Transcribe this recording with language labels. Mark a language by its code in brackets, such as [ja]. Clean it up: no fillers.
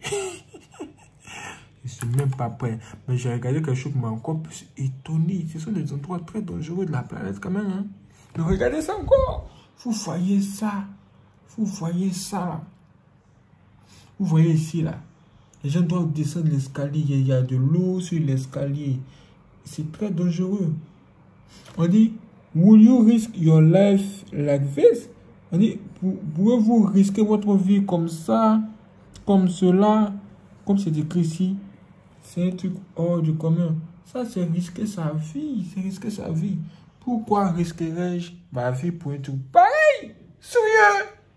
[fr] Je suis même pas prêt. Mais j'ai regardé quelque chose qui m'a encore plus étonné. Ce sont des endroits très dangereux de la planète quand même. Hein? Mais regardez ça encore. Vous voyez ça. Vous voyez ça. Vous voyez ici là. Les gens doivent descendre l'escalier. Il y a de l'eau sur l'escalier. C'est très dangereux. On dit, [en] will you risk your life like this? [fr] On dit, pouvez-vous risquer votre vie comme ça, comme cela, comme c'est écrit ici? C'est un truc hors du commun. Ça, c'est risquer sa vie. C'est risquer sa vie. Pourquoi risquerais-je ma vie pour un truc pareil? Sérieux?